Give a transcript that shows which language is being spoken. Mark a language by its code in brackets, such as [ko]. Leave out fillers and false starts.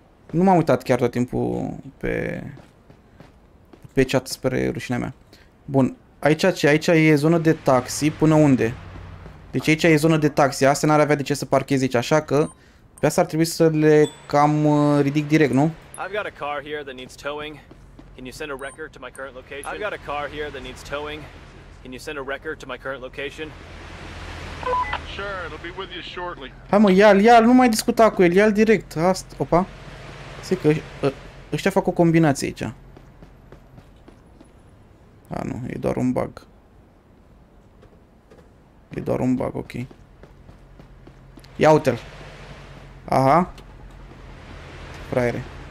[ro] Nu m-am uitat chiar tot timpul pe chat, spre rușinea mea. Bun, aici ce? Aici e zona de taxi, până unde? Deci aici e zona de taxi, asta n-ar avea de ce să parcheze aici, așa că pe asta ar trebui să le cam ridic direct, nu? [en] I've got a car here that needs towing. Can you send a wrecker to my current location? I've got a car here that needs towing. Can you send a wrecker to my current location? Sure, it'll be with you shortly. [ro] Hai mă, ia-l, nu mai discuta cu el, ia-l direct. Asta, opa. Zic că ăștia fac o combinație aici. Ah, nu, e doar un bug. E doar un bug, ok. Ia uite-l. Aha. Fraiere.